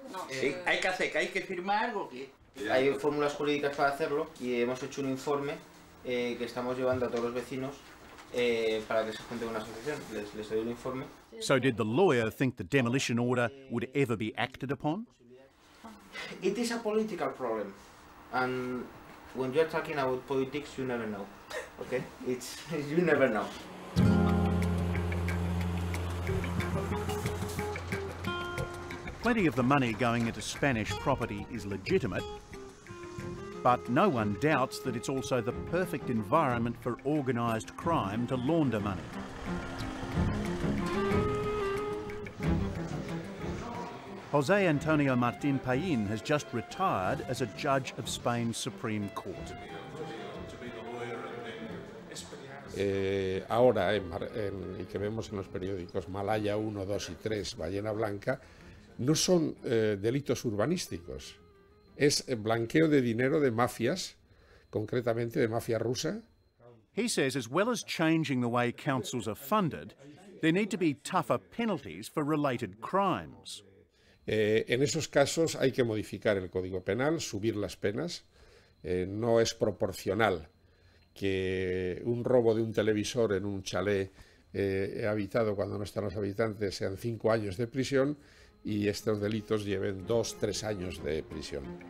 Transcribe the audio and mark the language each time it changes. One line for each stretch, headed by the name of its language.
Spanish: Sí, hay que hacer, hay que firmar algo. Hay fórmulas jurídicas para hacerlo y hemos hecho un informe que estamos llevando a todos los vecinos para que se junten a una asociación. Les doy un informe.
English: So did the lawyer think the demolition order would ever be acted upon? It is a political problem. And when you're talking about politics, you never know. Okay? You never know. Plenty of the money going into Spanish property is legitimate, but no one doubts that it's also the perfect environment for organized crime to launder money. José Antonio Martín Payín has just retired as a judge of Spain's Supreme Court.
Spanish: Ahora, y que vemos en los periódicos, Malaya 1, 2 y 3, Ballena Blanca, no son delitos urbanísticos, es blanqueo de dinero de mafias, concretamente de mafia rusa.
English: He says as well as changing the way councils are funded, there need to be tougher penalties for related crimes.
Spanish: En esos casos hay que modificar el código penal, subir las penas. No es proporcional que un robo de un televisor en un chalet habitado cuando no están los habitantes sean 5 años de prisión, y estos delitos lleven 2-3 años de prisión.